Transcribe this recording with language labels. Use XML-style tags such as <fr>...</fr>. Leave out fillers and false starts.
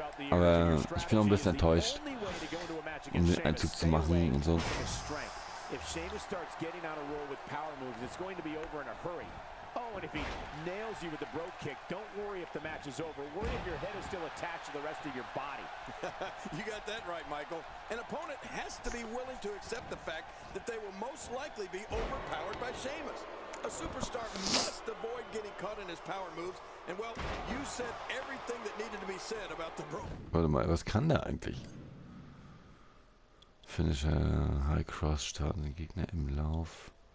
<de>Aber ich bin auch ein bisschen enttäuscht, um den Einzug zu machen und so.</de> <en>If Sheamus starts getting on a roll with power moves, it's going to be over in a hurry. Oh, and if he nails you with the broke kick, don't worry if the match is over. Worry if your head is still attached to the rest of your body. You got that right, Michael. An opponent has to be willing to accept the fact that they will most likely be overpowered by Sheamus. A superstar must avoid getting caught in his power moves. And well, you said everything that needed to be said about the broke.</en> <de>Warte mal, was kann der eigentlich? Finisher High Cross starten den Gegner im Lauf.</de>